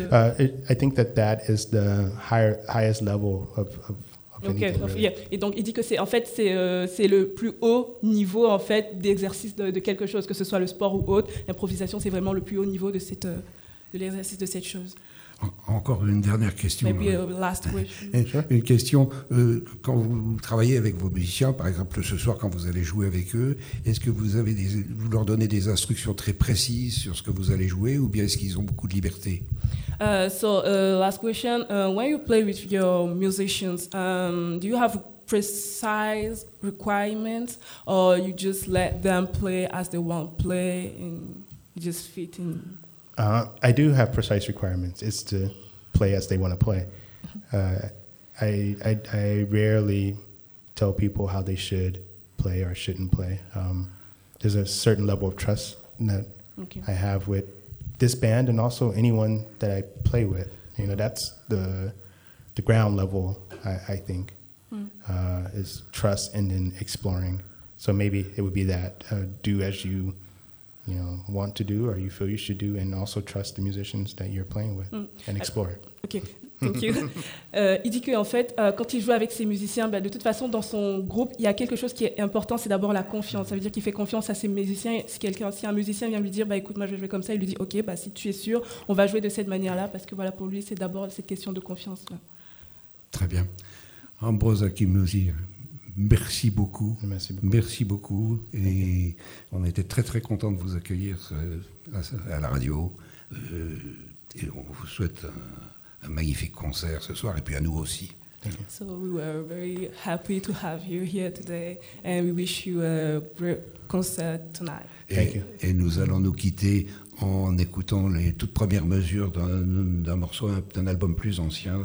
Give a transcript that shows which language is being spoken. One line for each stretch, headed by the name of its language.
English: I think that is the highest level of anything. Okay. Really. Yeah.
French: Et donc il dit que c'est le plus haut niveau en fait d'exercice de quelque chose, que ce soit le sport ou autre. L'improvisation, c'est vraiment le plus haut niveau de l'exercice de cette chose. Encore une dernière question.
English: Maybe a last question.
French: Une question. Quand vous travaillez avec vos musiciens, par exemple ce soir quand vous allez jouer avec eux, est-ce que vous leur donnez des instructions très précises sur ce que vous allez jouer, ou bien est-ce qu'ils ont beaucoup de liberté?
English: Last question. When you play with your musicians, do you have precise requirements, or you just let them play as they want to play and just fit in? I do have precise requirements. It's to play as they want to play. I rarely tell people how they should play or shouldn't play. There's a certain level of trust that I have with this band and also anyone that I play with. You know, that's the ground level, I think, is trust and then exploring. So maybe it would be that do as you you know, want to do or you feel you should do, and also trust the musicians that you're playing with and explore. Okay, thank you.
French: Il dit que en fait, quand il joue avec ses musiciens, bah, de toute façon, dans son groupe, il y a quelque chose qui est important, c'est d'abord la confiance. Ça veut dire qu'il fait confiance à ses musiciens. Si un musicien vient lui dire, bah, écoute, moi, je vais jouer comme ça, il lui dit, ok, bah, si tu es sûr, on va jouer de cette manière-là, parce que voilà, pour lui, c'est d'abord cette question de confiance. Là. Très bien. Ambroise Akimosi. Merci beaucoup. Merci beaucoup. Merci beaucoup. Et on était très très contents de vous accueillir à la radio. Et on vous souhaite un magnifique concert ce soir, et puis à nous aussi.
English: So we were very happy to have you here today, and we wish you a great concert tonight.
French: Et nous allons nous quitter en écoutant les toutes premières mesures d'un morceau d'un album plus ancien.